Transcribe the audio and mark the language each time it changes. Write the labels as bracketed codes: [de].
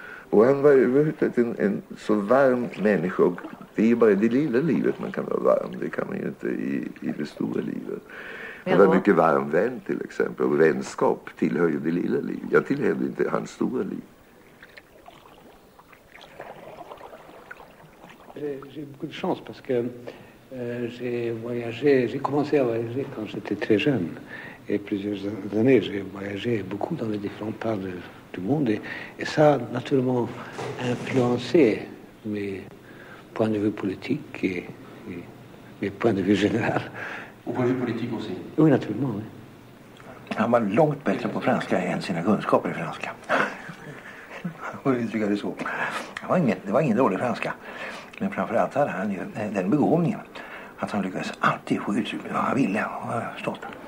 [sv] Och han var överhuvudtaget en så varm människa. Och det är bara det lilla livet man kan vara varm, det kan man ju inte i det stora livet. Han var mycket varm vän till exempel, och vänskap tillhör ju det lilla livet. Jag tillhörde inte hans stora liv. [fr] J'ai beaucoup de chance parce que j'ai voyagé, j'ai commencé à voyager quand j'étais très jeune. Et plusieurs années, j'ai voyagé beaucoup dans les différentes parts du monde. Et ça a naturellement influencé mes points de vue politiques et mes points de vue général. Au point de vue politique aussi? Oui, naturellement. Oui. [sv] Han var långt bättre på franska än sina kunskaper i franska. Och det tycker jag det så. Det var ingen dålig franska. Men framförallt hade han ju den begåvningen att han lyckades alltid få uttryck med vad han ville, och jag har stått.